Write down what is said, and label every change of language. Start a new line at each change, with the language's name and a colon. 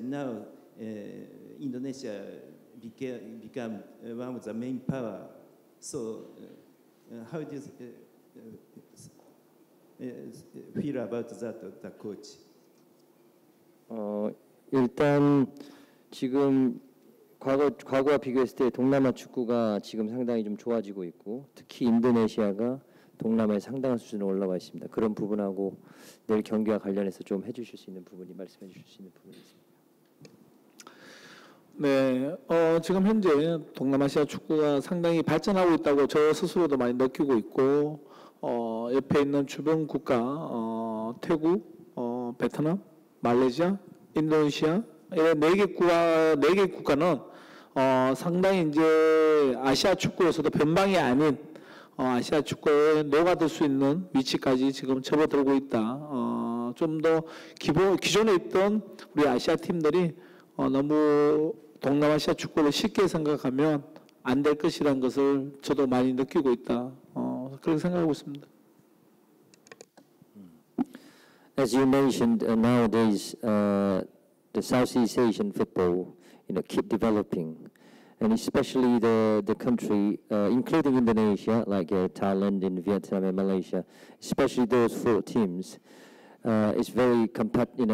English: Now, Indonesia become one of the main power. So, how do you feel about that, the coach?
Korean: 일단 지금 과거와 비교했을 때 동남아 축구가 지금 상당히 좀 좋아지고 있고 특히 인도네시아가 동남아에 상당한 수준으로 올라와 있습니다. 그런 부분하고 내일 경기와 관련해서 좀 해주실 수 있는 부분이 말씀해 주실 수 있는 부분이 있습니다. 네, 지금 현재 동남아시아 축구가 상당히 발전하고 있다고 저 스스로도 많이 느끼고 있고 옆에 있는 주변 국가 태국, 베트남, 말레이시아, 인도네시아 네 개 국가는 상당히 이제 아시아 축구에서도 변방이 아닌 아시아 축구에 녹아들 수 있는 위치까지 지금 접어들고 있다. 좀 더 기존에 있던 우리 아시아 팀들이 너무 동남아시아 축구를 쉽게 생각하면 안 될 것이라는 것을 저도 많이 느끼고 있다. 그렇게 생각하고 있습니다.
English: As you mentioned, nowadays the Southeast Asian football, you know, keep developing, and especially the country, including Indonesia, like Thailand and Vietnam and Malaysia, especially those four teams, is very competitive.